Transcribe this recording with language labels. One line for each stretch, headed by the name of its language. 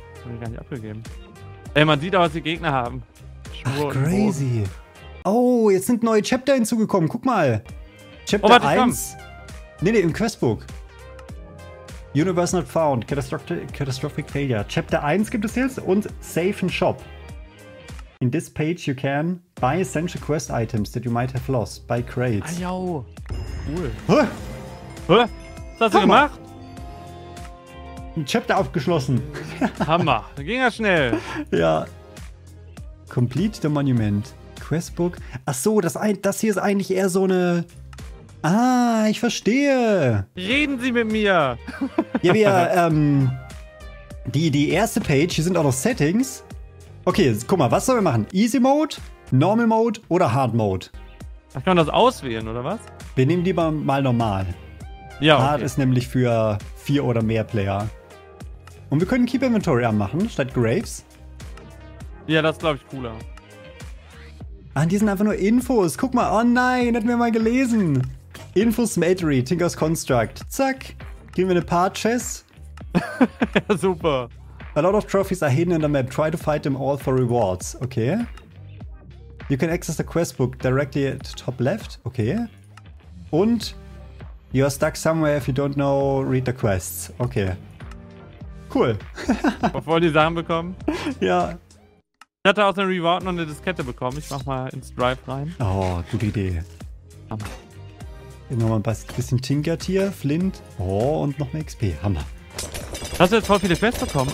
German: Hab ich gar nicht abgegeben. Ey, man sieht auch, was die Gegner haben. Ach, crazy. Oh, jetzt sind neue Chapter hinzugekommen. Guck mal. Chapter 1. Nee, im Questbook.
English: Universe not found. Catastrophic failure.
German: Chapter 1 gibt es jetzt und Safe and Shop.
English: In this page you can buy essential quest items that you might have lost. Buy crates.
German: Ah, jau. Cool. Was hast du gemacht? Ein Chapter aufgeschlossen. Hammer. Ging ja schnell. Ja.
English: Complete the Monument.
German: Questbook. Ach so, das hier ist eigentlich eher so eine... Ah, ich verstehe. Reden Sie mit mir. Ja, wir, die erste Page, hier sind auch noch Settings. Okay, jetzt, guck mal, was sollen wir machen? Easy Mode, Normal Mode oder Hard Mode? Ach, kann man das auswählen, oder was? Wir nehmen lieber mal normal. Ja, okay. Hard ist nämlich für 4 oder mehr Player. Und wir können Keep Inventory anmachen, statt Graves. Ja, das ist, glaube ich, cooler. Ah, die sind einfach nur Infos. Guck mal, oh nein, hätten wir mal gelesen. Infos Matery, Tinker's Construct. Zack, geben wir eine paar Chess. Super.
English: A lot of trophies are hidden in the map. Try to fight them all for rewards. Okay. You can access the questbook directly at top left. Okay. Und you are stuck somewhere if you don't know, read the quests.
German: Okay. Cool. Bevor die Sachen bekommen. Ja. Ich hatte aus dem Reward noch eine Diskette bekommen. Ich mach mal ins Drive rein. Oh, gute Idee. Hammer. Nochmal ein bisschen Tinkert hier, Flint. Oh, und noch mehr XP. Hammer. Hast du jetzt voll viele Quests bekommen?